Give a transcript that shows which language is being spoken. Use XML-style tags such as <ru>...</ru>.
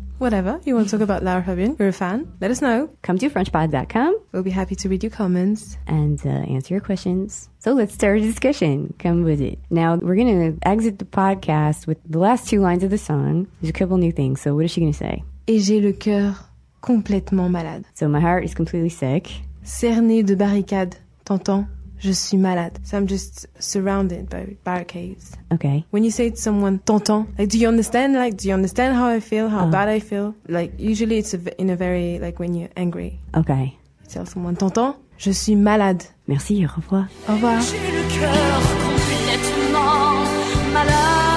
<en>Whatever. You want to talk about Laura Fabian? You're a fan? Let us know. Come to FrenchPod.com. We'll be happy to read your comments. And answer your questions. So let's start a discussion. Come with it. Now, we're going to exit the podcast with the last two lines of the song. There's a couple new things. So what is she going to say?</en> <fr>Et j'ai le cœur complètement malade.</fr> <en>So my heart is completely sick.</en> <fr>Cerné de barricades, t'entends? Je suis malade.</fr> <en>So I'm just surrounded by barricades. Okay. When you say to someone, t'entends, like, do you understand? Like, do you understand how I feel? How bad I feel? Like, usually it's in a very, like, when you're angry. Okay. Tell someone,</en> <fr>t'entends, je suis malade. Merci, au revoir. Au revoir. J'ai le cœur complètement malade.</fr>